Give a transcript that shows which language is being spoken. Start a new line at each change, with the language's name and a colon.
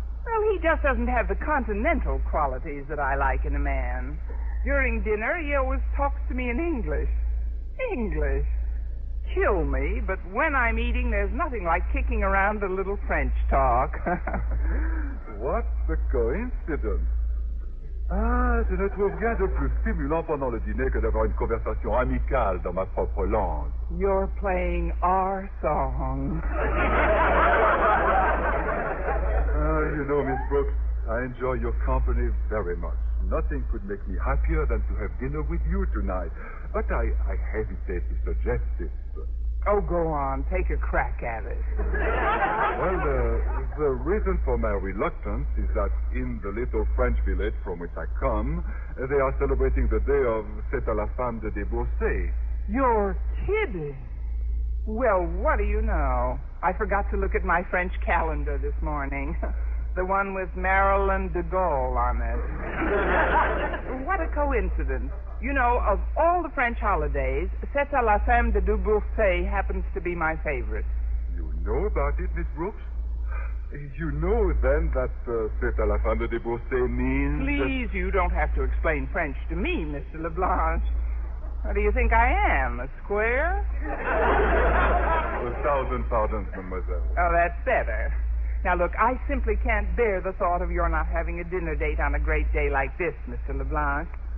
English: Well, he just doesn't have the continental qualities that I like in a man. During dinner, he always talks to me in English. English. Kill me, but when I'm eating, there's nothing like kicking around a little French talk. What a coincidence.
French: Ah, je ne trouve rien de plus stimulant pendant le dîner que d'avoir une conversation amicale dans ma propre langue.
English: You're playing our song. You know, Miss Brooks, I enjoy your company very much. Nothing could make me happier than to have dinner with you tonight. But I hesitate to suggest it. Oh, go on. Take a crack at it. Well, the reason for my reluctance is that in the little French village from which I come, they are celebrating the day of C'est à la femme de débourser. You're kidding. Well, what do you know? I forgot to look at my French calendar this morning. The one with Marilyn de Gaulle on it. What a coincidence. You know, of all the French holidays, C'est à la femme de débourser happens to be my favorite. You know about it, Miss Brooks? You know, then, that C'est à la femme de débourser means... Please, you don't have to explain French to me, Mr. LeBlanc. What do you think I am, a square? A thousand pardons, mademoiselle. Oh, that's better. Now, look, I simply can't bear the thought of your not having a dinner date on a great day like this, Mr. LeBlanc.